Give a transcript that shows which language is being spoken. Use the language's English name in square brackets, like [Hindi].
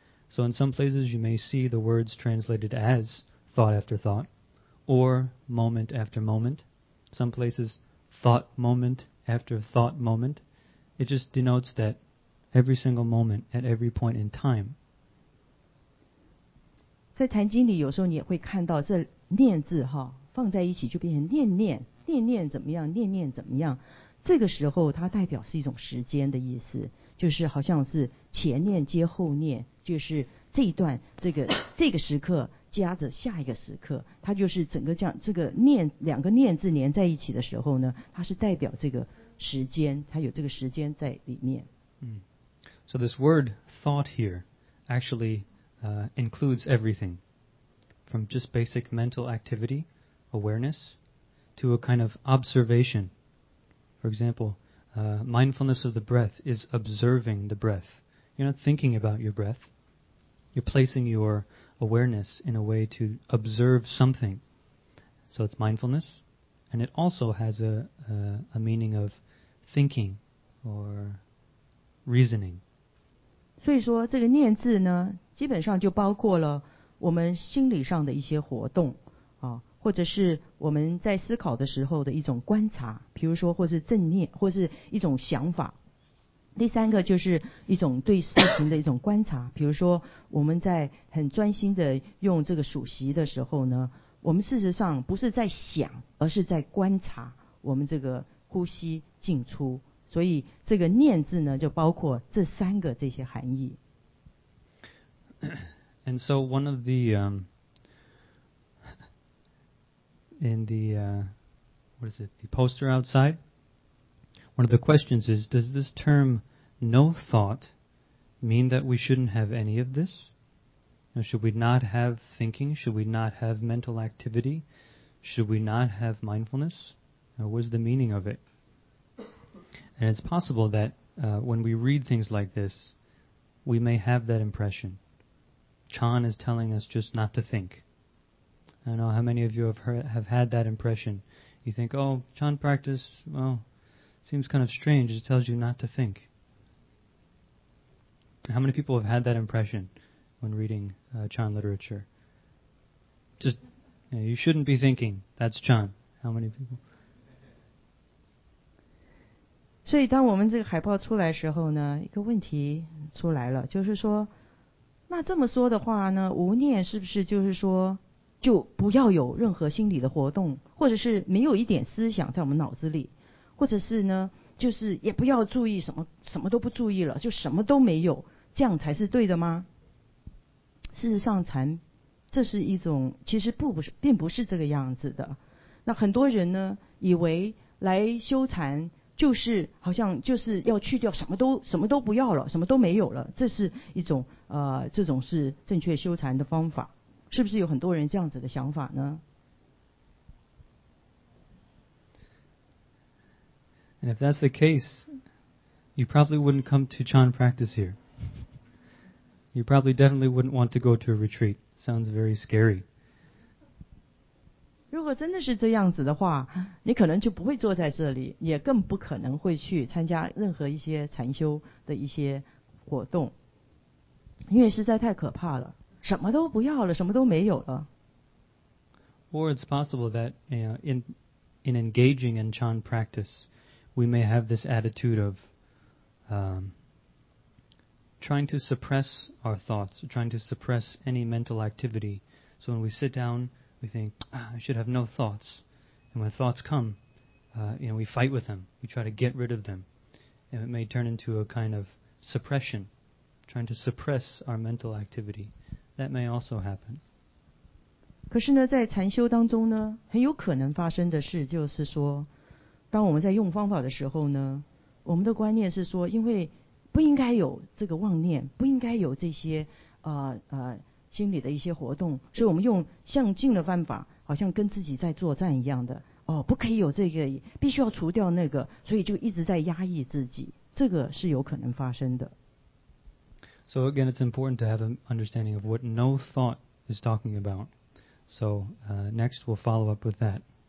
[English] So in some places you may see the words translated as thought after thought or moment after moment. Some places thought moment after thought moment. It just denotes that every single moment at every point in time. [Chinese] 在坛经里有时候你也会看到这念字哈，放在一起就变成念念，念念怎么样，念念怎么样，这个时候它代表是一种时间的意思，就是好像是前念接后念，就是这一段这个时刻加着下一个时刻，它就是整个这样，这个念两个念字连在一起的时候呢，它是代表这个时间，它有这个时间在里面。 [English] So this word thought here actually includes everything from just basic mental activity, awareness, to a kind of observation. For example, mindfulness of the breath is observing the breath. You're not thinking about your breath. You're placing your awareness in a way to observe something. So it's mindfulness, and it also has a meaning of thinking or reasoning. [Chinese] 所以说这个念字呢，基本上就包括了我们心理上的一些活动啊，或者是我们在思考的时候的一种观察，比如说或是正念或是一种想法。第三个就是一种对事情的一种观察，比如说我们在很专心的用这个数息的时候呢，我们事实上不是在想，而是在观察我们这个呼吸进出。所以这个念字呢，就包括这三个这些含义。 [English] And so one of the the poster outside, one of the questions is, does this term no thought mean that we shouldn't have any of this? Now, should we not have thinking? Should we not have mental activity? Should we not have mindfulness? Now, what is the meaning of it? And it's possible that when we read things like this, we may have that impression. Chan is telling us just not to think. I don't know how many of you have had that impression. You think, oh, Chan practice, well, seems kind of strange. It tells you not to think. How many people have had that impression when reading Chan literature? Just, you know, you shouldn't be thinking. That's Chan. How many people? [Chinese] 所以当我们这个海报出来的时候呢，一个问题出来了，就是说，那这么说的话呢，无念是不是就是说就不要有任何心理的活动，或者是没有一点思想在我们脑子里，或者是呢就是也不要注意什么，什么都不注意了，就什么都没有，这样才是对的吗？事实上禅这是一种其实并不是这个样子的。那很多人呢以为来修禅就是好像就是要去掉什么都不要了，什么都没有了，这是一种这种是正确修禅的方法，是不是有很多人这样子的想法呢？ [English] And if that's the case, you probably wouldn't come to Chan practice here. You probably definitely wouldn't want to go to a retreat. Sounds very scary. [Chinese] 如果真的是这样子的话，你可能就不会坐在这里，也更不可能会去参加任何一些禅修的一些活动。因为实在太可怕了，什么都不要了，什么都没有了。 [English] Or it's possible that in engaging in Chan practice, we may have this attitude of trying to suppress our thoughts, trying to suppress any mental activity. So when we sit down, we think, I should have no thoughts. And when thoughts come, we fight with them. We try to get rid of them. And it may turn into a kind of suppression. Trying to suppress our mental activity, that may also happen. [Chinese] 可是呢，在禅修当中呢，很有可能发生的事就是说，当我们在用方法的时候呢，我们的观念是说，因为不应该有这个妄念，不应该有这些心理的一些活动，所以我们用向静的方法，好像跟自己在作战一样的。哦，不可以有这个，必须要除掉那个，所以就一直在压抑自己，这个是有可能发生的。 [English] So again, it's important to have an understanding of what no thought is talking about. So next, we'll follow up with that.